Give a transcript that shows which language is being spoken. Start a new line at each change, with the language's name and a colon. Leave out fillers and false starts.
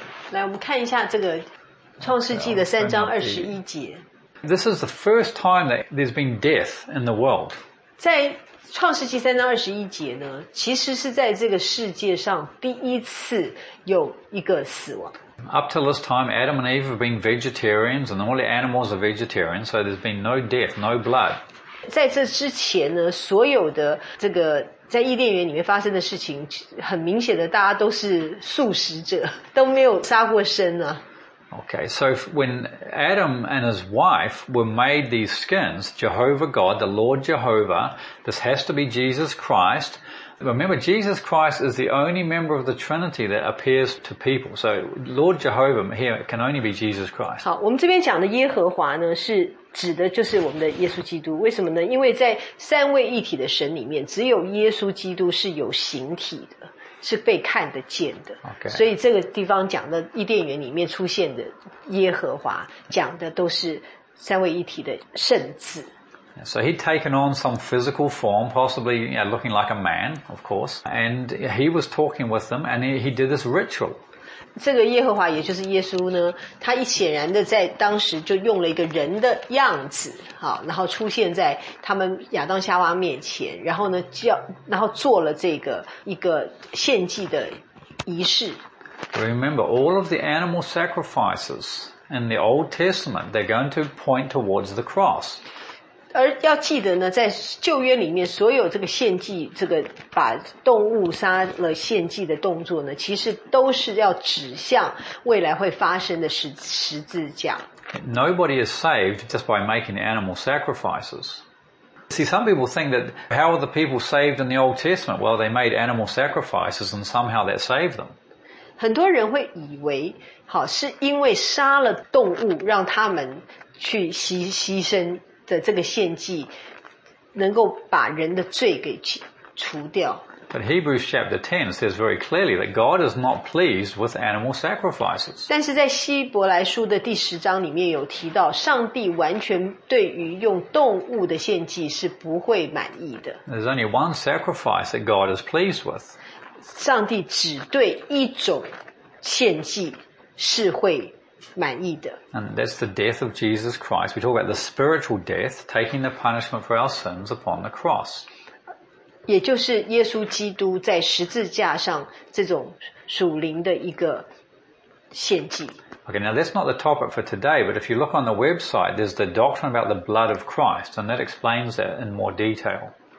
Chinese: 来，我们看一下这个创世纪的三章二十一节。
English: This is the first time that there's been death in the world.
Chinese: 在创世纪三章二十一节呢，其实是在这个世界上第一次有一个死亡。
English: Up till this time, Adam and Eve have been vegetarians, and all the animals are vegetarian, so there's been no death, no blood.
Chinese: 在这之前呢，所有的这个在伊甸园里面发生的事情，很明显的，大家都是素食者，都没有杀过生啊。
English: Okay, so when Adam and his wife were made these skins, Jehovah God, the Lord Jehovah, this has to be Jesus Christ. Remember, Jesus Christ is the only member of the Trinity that appears to people. So Lord Jehovah here can only be Jesus Christ.
Chinese: 好，我们这边讲的耶和华呢，是指的就是我们的耶稣基督。为什么呢？因为在三位一体的神里面，只有耶稣基督是有形体的。是被看得见的、
English: okay.
Chinese: 所以这个地方讲的伊甸园里面出现的耶和华讲的都是三位一体的圣子
English: So he'd taken on some physical form, possibly you know, looking like a man, of course, and he was talking with them and he did this ritual.
Chinese: 这个耶和华也就是耶稣呢他一显然的在当时就用了一个人的样子好然后出现在他们亚当夏娃面前然后呢叫然后做了这个一个献祭的仪式
English: Remember, all of the animal sacrifices in the Old Testament, they're going to point towards the cross.
Chinese: 而要记得呢在旧约里面所有这个献祭这个把动物杀了献祭的动作呢其实都是要指向未来会发生的十字架。
English: Nobody is saved just by making animal sacrifices. See, some people think that how are the people saved in the Old Testament? Well, they made animal sacrifices and somehow that saved them.
Chinese: 很多人会以为好是因为杀了动物让他们去牺牲的这个献祭能够把人的罪给除掉。
English: But Hebrews chapter 10 says very clearly that God is not pleased with animal sacrifices.
Chinese: 但是在希伯来书的第十章里面有提到上帝完全对于用动物的献祭是不会满意的。
English: There's only one sacrifice that God is pleased with.
Chinese: 上帝只对一种献祭是会满意的。
English: And that's the death of Jesus Christ. We talk about the spiritual death, taking the punishment for our sins upon the cross.
Chinese: 也就是耶稣基督在十字架上这种属灵的一个献祭。
English: Okay, now that's not the topic for today, but if you look on the website, there's the doctrine about the blood of Christ, and that explains that in more detail.